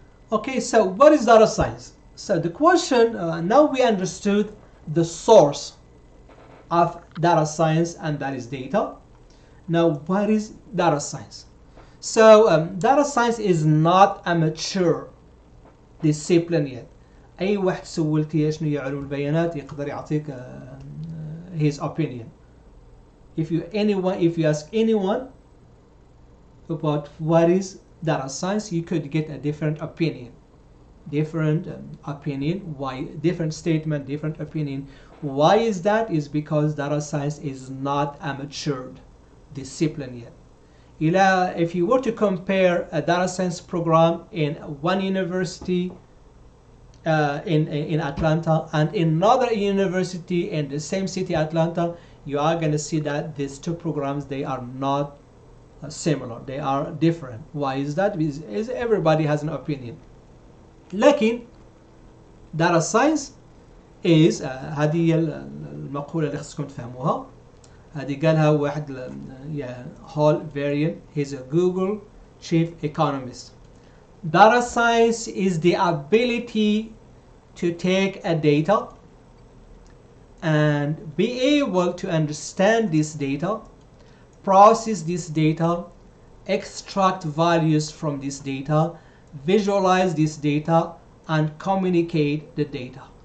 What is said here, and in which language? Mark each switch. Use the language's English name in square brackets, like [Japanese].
[English] Okay, so what is data science? So the question, now we understood the source of data science, and that is data. Now, what is data science? So data science is not a mature discipline yet. [Arabic] أي واحد سولتي شنو هي علوم البيانات يقدر يعطيك [English] his opinion. If you ask anyone about what is data science, you could get a different opinion. Different opinion, why different statement, different opinion. Why is that? Is because data science is not a matured discipline yet. If you were to compare a data science program in one university in Atlanta and another university in the same city, Atlanta, you are going to see that these two programs, they are not similar. They are different. Why is that? Because everybody has an opinion. [Arabic] لكن [English] data science is [Arabic] هذه هي المقولة اللي خصكم تفهموها. هذه قالها واحد هول فيريان. [English] He's a Google chief economist. Data science is the ability to take a data and be able to understand this data, process this data, extract values from this data, visualize this data, and communicate the data.